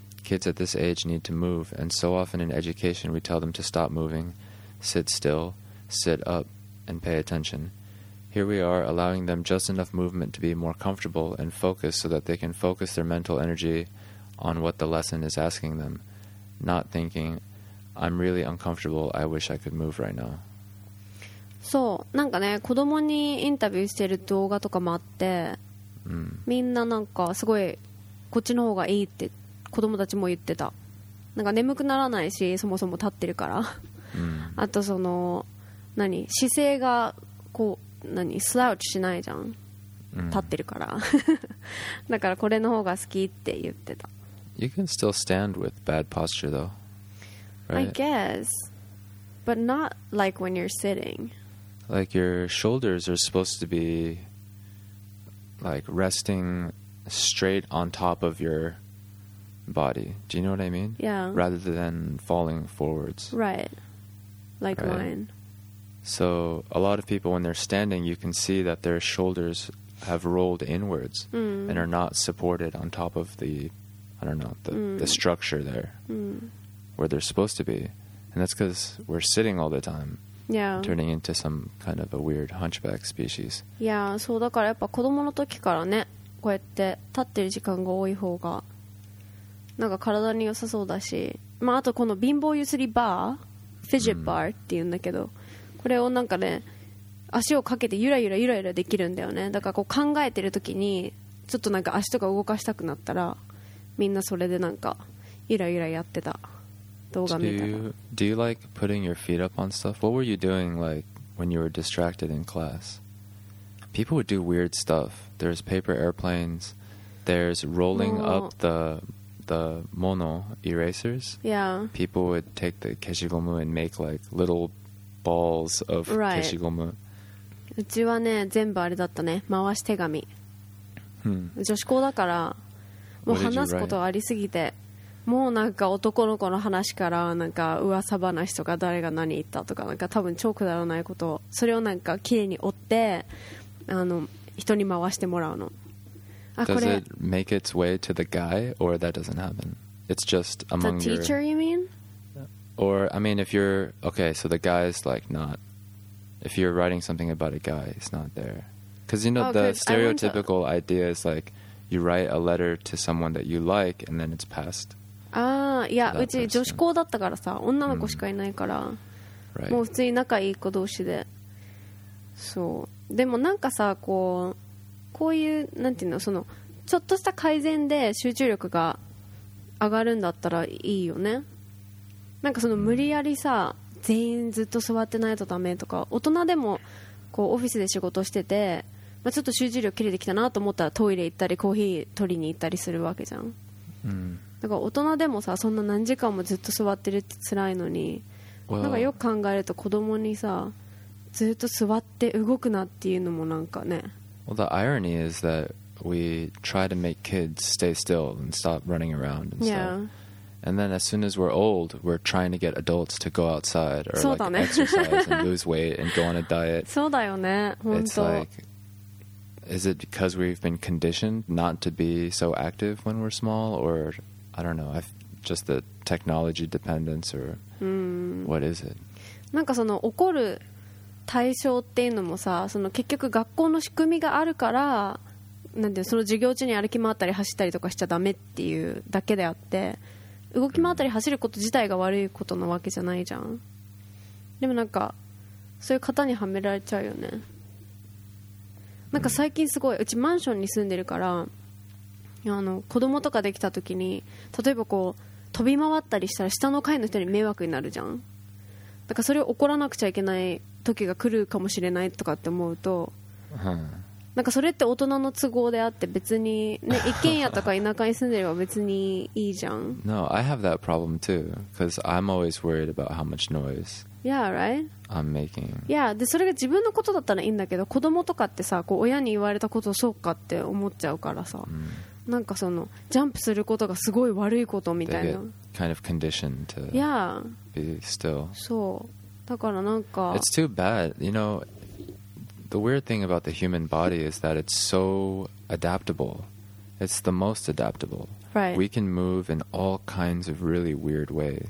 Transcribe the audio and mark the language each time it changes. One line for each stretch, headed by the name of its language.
English: Kids at this age need to move, and so often in education we tell them to stop moving, sit still, sit up,and pay attention. Here we are allowing them just enough movement to be more comfortable and focused so that they can focus their mental energy on what the lesson is asking them, not thinking, I'm really uncomfortable, I wish I could move right now.
Japanese: そう、なんかね、子供にインタビューしてる動画とかもあって、みんななんかすごいこっちの方がいいって子供たちも言ってた。なんか眠くならないし、そもそも立ってるから。あとその何姿勢がこう何スラウチしないじゃん、立ってるから、だからこれの方が好きって言ってた。
English: You can still stand with bad posture though, right? I guess, but not like when you're sitting. Like your shoulders are supposed to be like resting straight on top of your body. Do you know what I mean? Yeah. Rather than falling forwards. Right. Like right. mine. So a lot of people when they're standing, you can see that their shoulders have rolled inwards and are not supported on top of the, I don't know, the structure there where they're supposed to be. And that's because we're sitting all the time, turning into some kind of a weird hunchback species. Yeah, so
Japanese: だからやっぱ子供の時からね、こうやって立ってる時間が多い方がなんか体に良さそうだし、まああとこの貧乏ゆすりバー、fidget bar って言うんだけど、これをなんかね、足をかけてゆらゆらゆらゆらできるんだよね。だからこう考えてるときにちょっとなんか足とか動かしたくなったら、みんなそれでなんかゆらゆらやってた動画見たら。
English: Do you like putting your feet up on stuff? What were you doing like when you were distracted in class? People would do weird stuff. There's paper airplanes. There's rolling up the mono erasers. Yeah. People would take the 消しゴム and make like little. Balls of right.
Japanese: 消しゴム。うちはね、全部あれだったね。回し手紙。女子校だから、もう話すことありすぎて、もうなんか男の子の話からなんか噂話とか誰が何言ったとかなんか多分超くだらないことを、それをなんか綺麗に折って、あの人に回してもらうの。あ、これ。
English: Does it make its way to the guy or that doesn't happen? It's just among the teacher, you mean? Or, I mean, if you're... Okay, so the guy's, like, not... If you're writing something about a guy, it's not there. Because, you know, the stereotypical idea is, like, you write a letter to someone that you like, and then it's passed. Ah, yeah,
Japanese: うち女子校だったからさ、女の子しかいないから、もう普通に仲いい子同士で。そう。でもなんかさ、こう、こういうなんていうの、そのちょっとした改善で集中力が上がるんだったらいいよね。なんかその無理やりさ、うん、全員ずっと座ってないとダメとか、大人でもこうオフィスで仕事してて、まあ、ちょっと集中力切れてきたなと思ったらトイレ行ったりコーヒー取りに行ったりするわけじゃん、うん、だから大人でもさ、そんな何時間もずっと座ってるって辛いのに、
English: well,
Japanese: なんかよく考えると子供にさずっと座って動くなっていうのもなんかね。
English: Well, the irony is that we try to make kids stay still and stop running around and stuff. Yeah. And then as soon as we're old, we're trying to get adults to go outside or like exercise and lose weight and go on a diet.
Japanese: そうだよね、本当。
English: It's like,Is it because we've been conditioned not to be so active when we're small, or I don't know, just the technology dependence, or what is it?
Japanese: なんかその怒る対象っていうのもさ、その結局学校の仕組みがあるから、なんていうの、その授業中に歩き回ったり走ったりとかしちゃダメっていうだけであって、動き回ったり走ること自体が悪いことなわけじゃないじゃん。でもなんかそういう型にはめられちゃうよね。なんか最近すごい、うちマンションに住んでるから、あの子供とかできた時に例えばこう飛び回ったりしたら下の階の人に迷惑になるじゃん。だからそれを怒らなくちゃいけない時が来るかもしれないとかって思うと、なんかそれって大人の都合であって、別に、ね、一軒家とか田舎に住んでれば別にいいじゃん。
English: No, I have that problem too, because I'm always worried about how much noise Yeah, right? I'm making. Yeah,
Japanese: でそれが自分のことだったらいいんだけど、子供とかってさ、こう親に言われたことをそうかって思っちゃうからさ、 mm. なんかそのジャンプすることがすごい悪いことみたいな。
English: They get kind of conditioned to be still.
Japanese: そう。だからなんか
English: It's too bad. You know, the weird thing about the human body is that it's so adaptable. It's the most adaptable. Right. We can move in all kinds of really weird ways.